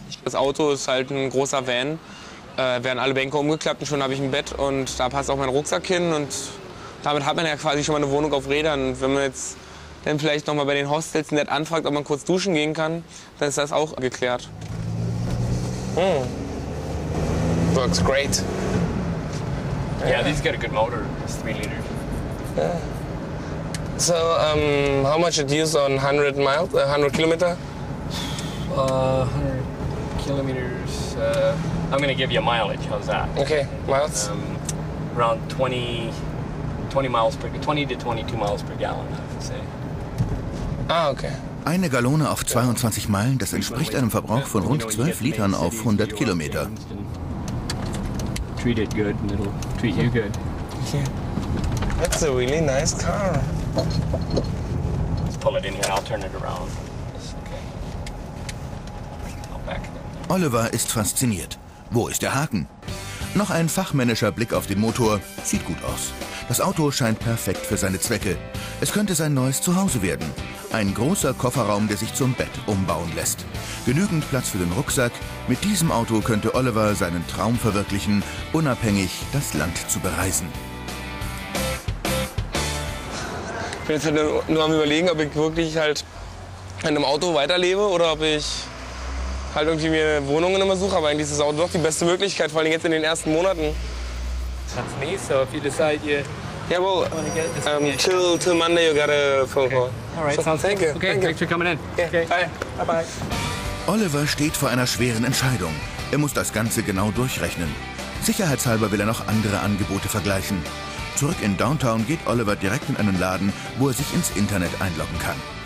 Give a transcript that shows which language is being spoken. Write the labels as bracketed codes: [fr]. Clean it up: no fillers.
[de] Das Auto ist halt ein großer Van. Werden alle Bänke umgeklappt und schon habe ich ein Bett und da passt auch mein Rucksack hin und damit hat man ja quasi schon mal eine Wohnung auf Rädern. Und wenn man jetzt dann vielleicht noch mal bei den Hostels nett anfragt, ob man kurz duschen gehen kann, dann ist das auch geklärt. [en] Works great. Yeah, this got a good motor. It's 3 liter. Yeah. So, how much it use on 100 miles, 100 kilometer? 100 kilometers, I'm gonna give you a mileage, how's that? Okay, miles? Around 20 to 22 miles per gallon, I would say. Ah, okay. [de] Eine Gallone auf 22 Meilen, das entspricht einem Verbrauch von rund 12 Litern auf 100 Kilometer. [en] Treat it good and it'll treat you good. Yeah. That's a really nice car. Let's pull it in here, I'll turn it around. It's okay. I'll back it up. [de] Oliver ist fasziniert. Wo ist der Haken? Noch ein fachmännischer Blick auf den Motor. Sieht gut aus. Das Auto scheint perfekt für seine Zwecke. Es könnte sein neues Zuhause werden. Ein großer Kofferraum, der sich zum Bett umbauen lässt. Genügend Platz für den Rucksack. Mit diesem Auto könnte Oliver seinen Traum verwirklichen, unabhängig das Land zu bereisen. Ich bin jetzt halt nur am Überlegen, ob ich wirklich halt in einem Auto weiterlebe oder ob ich halt irgendwie mir Wohnungen immer suche. Aber eigentlich ist das Auto doch die beste Möglichkeit, vor allem jetzt in den ersten Monaten. [en] That's me, so if you decide you yeah, well, want to get this till Monday, you got a phone call. All right, so, sounds thank good. Okay, thanks for coming in. Yeah. Okay, bye. Bye-bye. [de] Oliver steht vor einer schweren Entscheidung. Er muss das Ganze genau durchrechnen. Sicherheitshalber will er noch andere Angebote vergleichen. Zurück in Downtown geht Oliver direkt in einen Laden, wo er sich ins Internet einloggen kann.